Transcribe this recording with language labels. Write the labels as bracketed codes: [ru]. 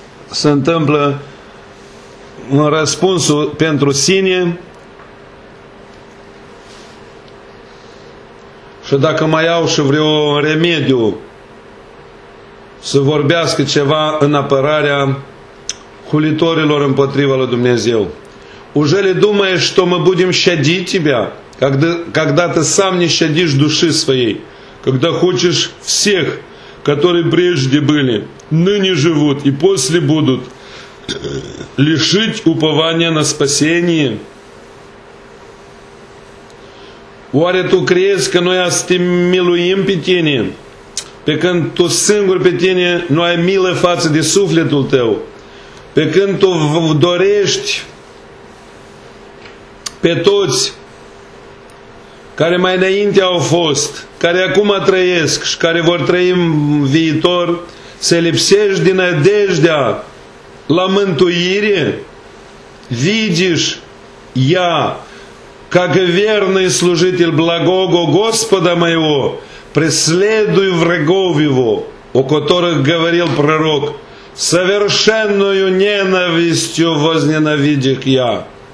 [ro] Се întâmplă răspunsul pentru sine. Și dacă mai au și vreo remediu să vorbească ceva în apărarea hulitorilor împotriva lui Dumnezeu. [ru] Ужели думаешь, что мы будем щадить тебя, когда ты сам не щадишь души своей, когда хочешь всех, которые прежде были, ныне живут и после будут, лишить упования на спасение? [ro] Oare tu crezi că noi astăzi miluim pe tine, pe când tu singur pe tine nu ai milă față de sufletul tău, pe când tu dorești pe toți care mai înainte au fost, care acum trăiesc și care vor trăi în viitor, să lipsești din nădejdea la mântuire, vidiși ea, [ru] как верный служитель благого Господа моего, преследую врагов его, о которых говорил пророк, совершенную ненавистью возненавидих я.